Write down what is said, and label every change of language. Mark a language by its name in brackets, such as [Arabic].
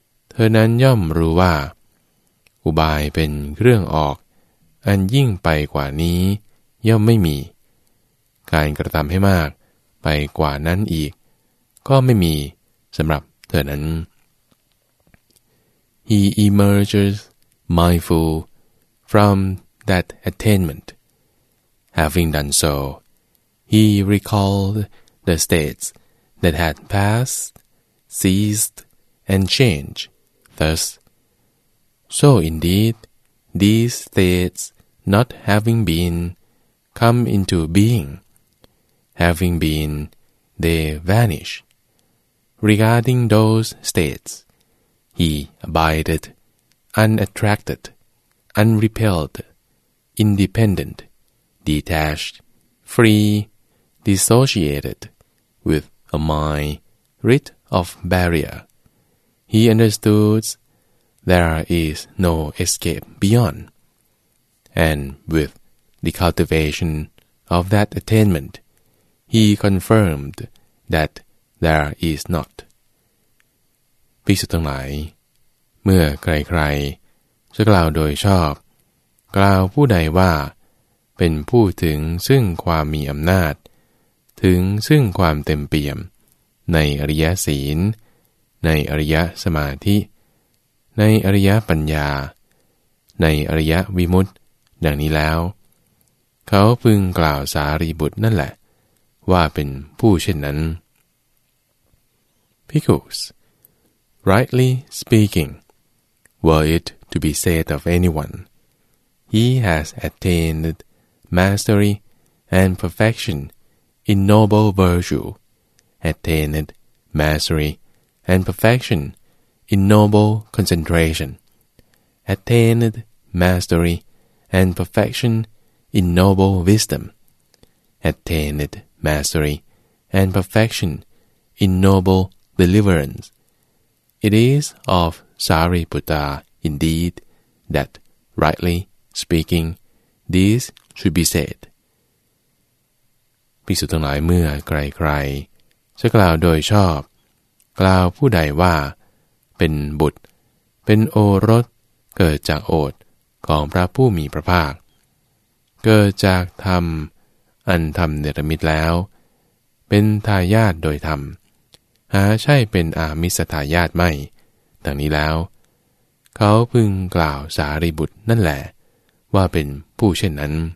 [Thai] เธอนั้นย่อมรู้ว่าอุบายเป็นเรื่องออกอันยิ่งไปกว่านี้ย่อมไม่มีการกระทำให้มากไปกว่านั้นอีกก็ไม่มีสำหรับเธอนั้น [English] He emerges mindful from that attainment. Having done so, he recalled the states that had passed, ceased, and changed. Thus, so indeed, these states not having been, come into being. Having been, they vanish. Regarding those states, he abided, unattracted, unrepelled, independent, detached, free, dissociated, with a mind rid of barrier. He understood there is no escape beyond. And with the cultivation of that attainment, he confirmed that there is not. [Thai] ภิกษุทั้งหลายเมื่อใครๆจะกล่าวโดยชอบกล่าวผู้ใดว่าเป็นผู้ถึงซึ่งความมีอำนาจถึงซึ่งความเต็มเปี่ยมในอริยศีลในอริยสมาธิในอริยปัญญาในอริยวิมุตติดังนี้แล้วเขาพึงกล่าวสารีบุตรนั่นแหละว่าเป็นผู้เช่นนั้น [English] Pickles, rightly speaking, were it to be said of anyone, he has attained mastery and perfection in noble virtue, attained mastery and perfection in noble concentration, attained mastery and perfection in noble wisdom, attained mastery and perfection in noble deliverance. It is of Sariputta, indeed, that, rightly speaking, this should be said. [Thai] ภิกษุทั้งหลายเมื่อใครๆจะกล่าวโดยชอบกล่าวผู้ใดว่าเป็นบุตรเป็นโอรสเกิดจากโอทของพระผู้มีพระภาคเกิดจากธรรมอันธรรมเนรมิตแล้วเป็นทายาทโดยธรรมหาใช่เป็นอามิสทายาทไม่ดังนี้แล้วเขาพึงกล่าวสารีบุตรนั่นแหละว่าเป็นผู้เช่นนั้น